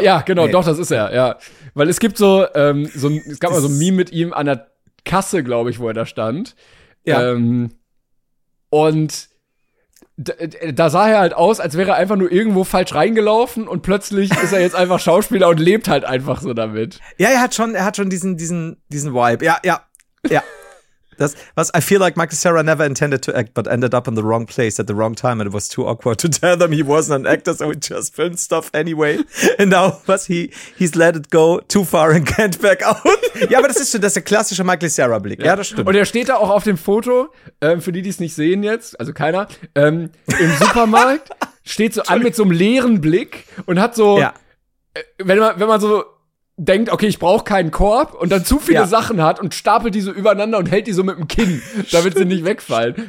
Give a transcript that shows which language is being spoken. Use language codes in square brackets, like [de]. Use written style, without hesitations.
[de] Ja, genau, doch, das ist er, ja. Weil es gibt es gab mal so ein Meme mit ihm an der Kasse, glaube ich, wo er da stand. Ja. Und da sah er halt aus, als wäre er einfach nur irgendwo falsch reingelaufen und plötzlich ist er jetzt einfach Schauspieler und lebt halt einfach so damit. Ja, er hat schon diesen Vibe. Ja. [en] I feel like Michael Cera never intended to act, but ended up in the wrong place at the wrong time, and it was too awkward to tell them he wasn't an actor, so he just filmed stuff anyway. And now was he's let it go too far and can't back out. [de] Ja, aber das ist der klassische Michael Cera Blick. Ja, das stimmt. Und er steht da auch auf dem Foto, für die es nicht sehen jetzt, also keiner, im Supermarkt, steht so an mit so einem leeren Blick und hat so, ja. Wenn man so denkt, okay, ich brauche keinen Korb und dann zu viele Sachen hat und stapelt die so übereinander und hält die so mit dem Kinn, damit sie nicht wegfallen.